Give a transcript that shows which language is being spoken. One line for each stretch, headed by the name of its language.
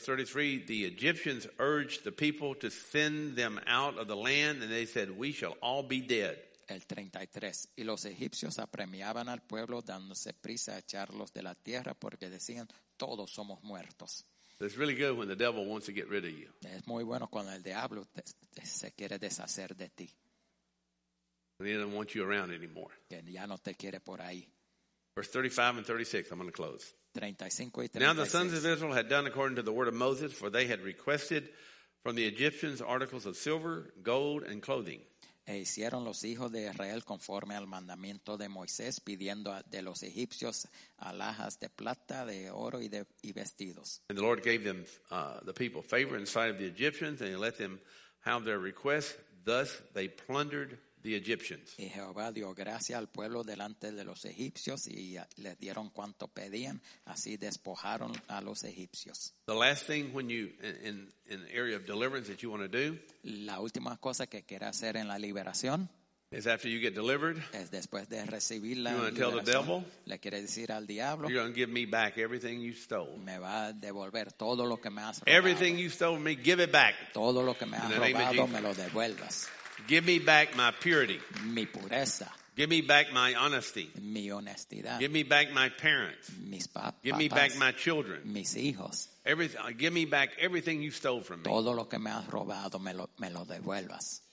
English: 33, the Egyptians urged the people to send them out of the land, and they said, we shall all be dead.
Spanish: El 33, y los egipcios apremiaban al pueblo dándose prisa a echarlos de la tierra porque decían, todos somos muertos.
English: It's really good when the devil wants to get rid of you.
Spanish: Es muy bueno cuando el diablo se quiere deshacer de ti.
English: And he doesn't want you around anymore.
Spanish: Que ya no te quiere por ahí.
English: Verse 35 and 36, I'm going to close.
Spanish: 35 y 36.
English: Now the sons of Israel had done according to the word of Moses, for they had requested from the Egyptians articles of silver, gold, and clothing.
Spanish: e hicieron los hijos de Israel conforme al mandamiento de Moisés, pidiendo de los egipcios alhajas de plata, de oro y vestidos.
English: And the Lord gave them the people favor in sight of the Egyptians, and he let them have their request. Thus they plundered the Egyptians.
Spanish: Y Jehová dio gracia al pueblo delante de los egipcios y les dieron cuanto pedían, así despojaron a los egipcios.
English: The last thing when you in the area of deliverance that you want to do,
Spanish: la última cosa que quiere hacer en la liberación,
English: is after you get delivered,
Spanish: es después de recibir la
English: liberación, tell the devil,
Spanish: le quiere decir al diablo,
English: you're going to give me back everything you stole.
Spanish: Me va a devolver todo lo que me has robado.
English: Everything you stole from me, give it back.
Spanish: Todo lo que me has robado, me lo devuelvas.
English: Give me back my purity.
Spanish: Mi pureza.
English: Give me back my honesty.
Spanish: Mi honestidad.
English: Give me back my parents.
Spanish: Mis papás.
English: Give me back my children.
Spanish: Mis hijos.
English: Give me back everything you stole from me.
Spanish: Todo lo que me has robado, me lo devuelvas.